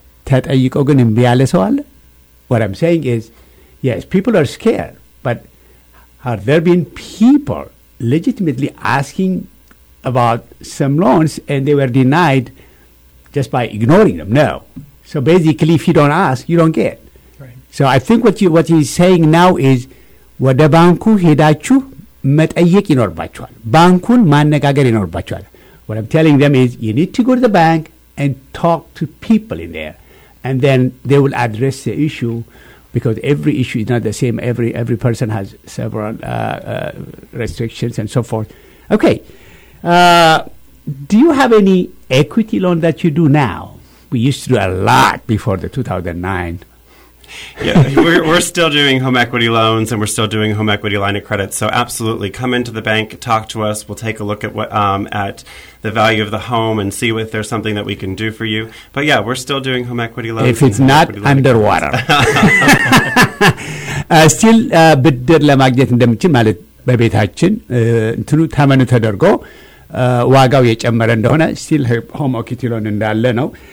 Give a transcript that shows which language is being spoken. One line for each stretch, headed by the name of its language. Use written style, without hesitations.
Amharic: ተጠይቆ ግን እንብ ያለ ሰው አለ
English: what I'm saying is yes people are scared but have there been people legitimately asking about some loans and they were denied just by ignoring them? No. So basically, if you don't ask, you don't get. Right. So I think what he's saying now is
Amharic: ወደ ባንኩ ሄዳችሁ መጠየቅ ይኖርባችኋል ባንኩን ማነጋገር ይኖርባችኋል
English: what I'm telling them is you need to go to the bank and talk to people in there. And then they will address the issue, because every issue is not the same. Every person has several restrictions and so forth. Okay. Do you have any equity loan that you do now? We used to do a lot before the 2009. Yeah, we're still doing home equity loans, and we're still doing home equity line of credit. So absolutely, come into the bank, talk to us. We'll take a look at at the value of the home and see if there's something that we can do for you. But yeah, we're still doing home equity loans. If it's not underwater, still
Amharic: ብድር ለማግኘት እንደምችል ማለት በቤታችን እንትኑ ተመኑ ተደርጎ ዋጋው የጨመረ እንደሆነ
English: still home equity loan
Amharic: እንዳለ ነው.